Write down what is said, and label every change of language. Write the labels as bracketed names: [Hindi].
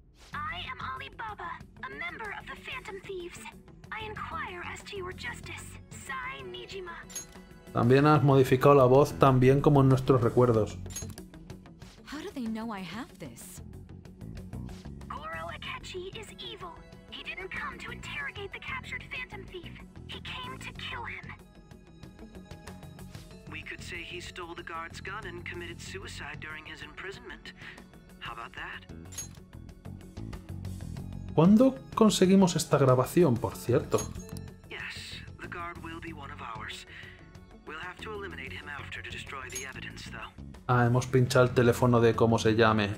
[English] I am Alibaba, a member of the Phantom Thieves. I inquire as to your justice, Sai Nijima. [Spanish] También has modificado la voz, también como en nuestros recuerdos. [English] How do they know I have this? Goro Akechi is evil. He didn't come to interrogate the captured Phantom Thief. He came to kill him. We could say he stole the guard's gun and committed suicide during his imprisonment. How about that? [Spanish] ¿Cuándo conseguimos esta grabación, por cierto? [English] Yes, the guard will be one of ours. We'll have to eliminate him after to destroy the evidence, though. [Spanish] Ah, hemos pinchado el teléfono de cómo se llame.